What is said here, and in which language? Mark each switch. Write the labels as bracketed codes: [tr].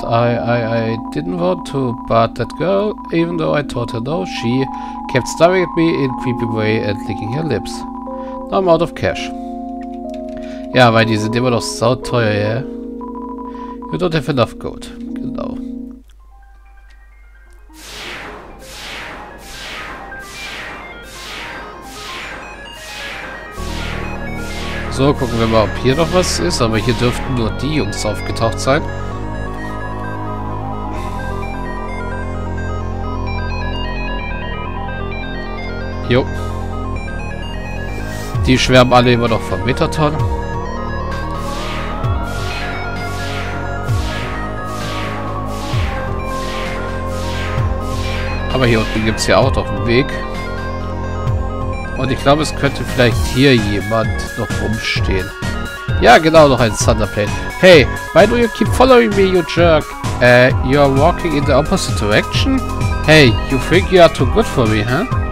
[en] I didn't want to, but that girl, even though I told her no, she kept staring at me in creepy way and licking her lips. Now I'm out of cash. [de] Ja, weil die sind immer noch sauteuer, ja? [en] You don't have enough gold. [de] Genau. So, gucken wir mal, ob hier noch was ist. Aber hier dürften nur die Jungs aufgetaucht sein. Jo. Die schwärmen alle immer noch vom Metaton. Aber hier unten gibt es ja auch noch einen Weg. Und ich glaube, es könnte vielleicht hier jemand noch rumstehen. Ja, genau, noch ein Thunderplane. [en] Hey, why do you keep following me, you jerk? You are walking in the opposite direction? Hey, you think you are too good for me, huh?